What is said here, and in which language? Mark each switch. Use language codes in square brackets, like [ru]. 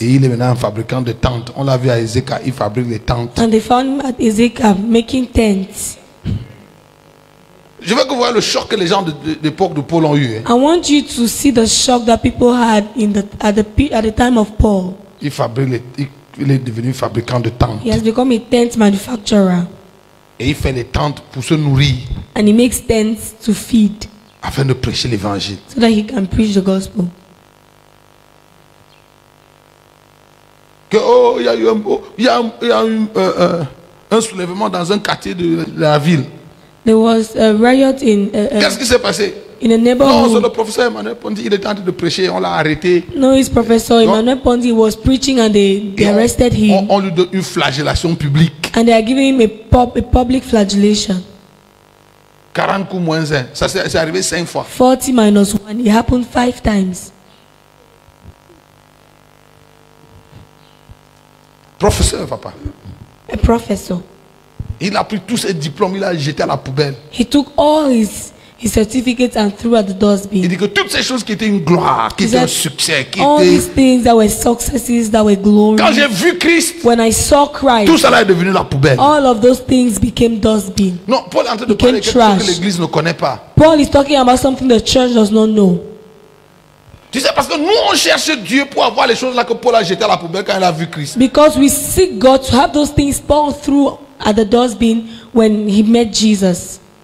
[fr] Et il est maintenant un fabricant de tentes. On l'a vu à Ezeka, il fabrique des tentes. [en] And they found him at Ezeka making tents. [fr] Je veux que vous voyez le choc que les gens d'époque de Paul ont eu. [en] I want you to see the shock that people had at the time of Paul. [fr] Il est devenu fabricant de tentes. [en] He has become a tent manufacturer. [fr] Et il fait des tentes pour se nourrir. [en] And he makes tents to feed. [fr] Afin de prêcher l'évangile. [en] So that he can preach the gospel. [fr] Que oh, il y a un soulèvement dans un quartier de la ville. [en] There was a riot in. [fr] Qu'est-ce qui s'est passé? [en] In a neighborhood. [fr] Non, c'est le professeur Emmanuel Pondi. Il était en train de prêcher. On l'a arrêté. [en] No, his professor Emmanuel Pondi was preaching and they arrested him. [fr] On lui donne une flagellation publique. [en] And they are giving him a public flagellation. [fr] 40 coups moins 1. Ça c'est arrivé 5 fois. [en] 40 minus 1, it happened 5 times. [fr] Professeur, papa. [en] A professor. [fr] Il a pris tous ses diplômes, il a jeté à la poubelle. [en] He took all his certificates and threw at the dustbin. [fr] Il dit que toutes ces choses qui étaient une gloire, qui étaient un succès, qui [en] étaient. All these things that were successes, that were glory. [fr] Quand j'ai vu Christ, [en] when I saw Christ, [fr] tout cela est devenu la poubelle. [en] All of those things became dustbin. [fr] Non, Paul est en train de parler de quelque chose que l'Église ne connaît pas. [en] Paul is talking about something the church does not know. [fr] Tu sais, parce que nous on cherche Dieu pour avoir les choses là que Paul a jeté à la poubelle quand il a vu Christ. [en] Because we seek God to have those things Paul threw at the dustbin when he met Jesus.